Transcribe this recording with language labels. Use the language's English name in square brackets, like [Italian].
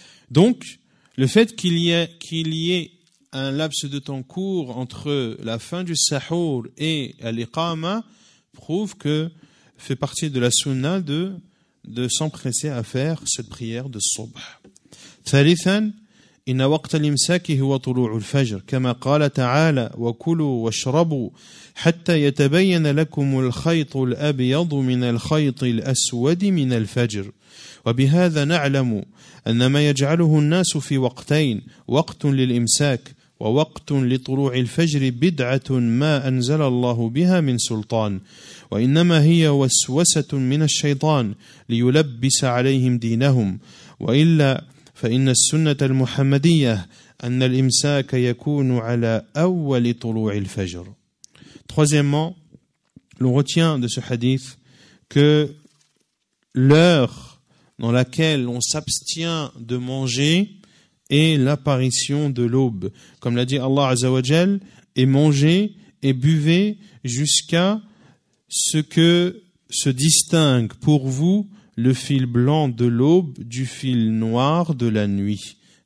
[French] Donc, le fait qu'il y ait un laps de temps court entre la fin du sahur et l'iqama prouve que fait partie de la sunna de s'empresser à faire cette prière de subh. [Arabic] Thalithan, إن وقت الإمساك هو طلوع الفجر كما قال تعالى وكلوا واشربوا حتى يتبين لكم الخيط الأبيض من الخيط الأسود من الفجر وبهذا نعلم أن ما يجعله الناس في وقتين وقت للإمساك ووقت لطلوع الفجر بدعة ما أنزل الله بها من سلطان وإنما هي وسوسة من الشيطان ليلبس عليهم دينهم وإلا فإن السنة المحمدية أن الإمساك يكون على أول طلوع الفجر. [French] Troisièmement, l'on retient de ce hadith que l'heure dans laquelle on s'abstient de manger est l'apparition de l'aube, comme l'a dit Allah Azza wa Jal, et mangez et buvez jusqu'à ce que se distingue pour vous le fil blanc de l'aube du fil noir de la nuit.